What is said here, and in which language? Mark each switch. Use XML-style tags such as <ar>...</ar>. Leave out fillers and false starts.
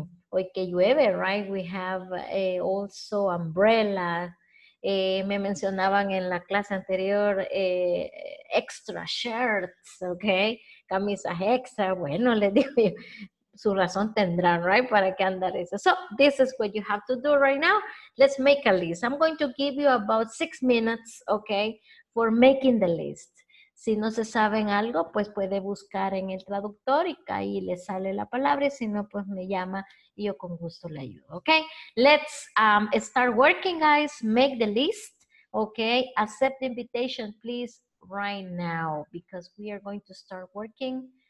<es>Hoy que llueve,</es> <en>right? We have also umbrella.</en> <es>Me mencionaban en la clase anterior</es> <en>extra shirts,</en> <es>okay? Camisas extra. Bueno, les digo yo, su razón tendrán, right, para qué andar eso.</es> <en>So, this is what you have to do right now. Let's make a list. I'm going to give you about 6 minutes, okay, for making the list.</en> <es>Si no se saben algo, pues puede buscar en el traductor y ahí le sale la palabra. Si no, pues me llama y yo con gusto le ayudo, okay?</es> <en>Let's start working, guys. Make the list, okay? Accept the invitation, please, right now, because we are going to start working.</en>